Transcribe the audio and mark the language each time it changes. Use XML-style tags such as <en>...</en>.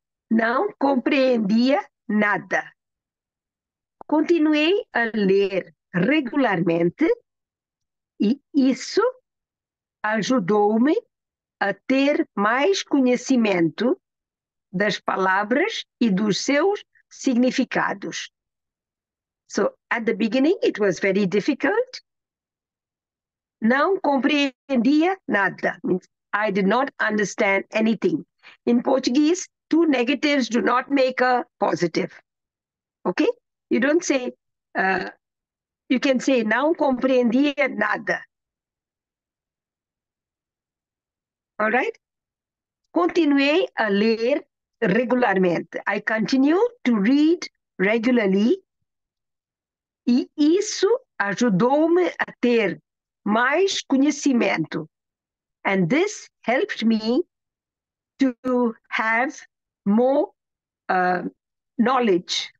<pt>Não compreendia nada. Continuei a ler regularmente e isso ajudou-me a ter mais conhecimento das palavras e dos seus significados.</pt> <en>So, at the beginning, it was very difficult.</en> <pt>Não compreendia nada.</pt> <en>Means I did not understand anything. In Portuguese, two negatives do not make a positive. Ok? You don't say, you can say,</en> <pt>não compreendia nada.</pt> <en>All right?</en> <pt>Continuei a ler regularmente.</pt> <en>I continue to read regularly.</en> <pt>E isso ajudou-me a ter mais conhecimento.</pt> <en>And this helped me to have more knowledge.</en>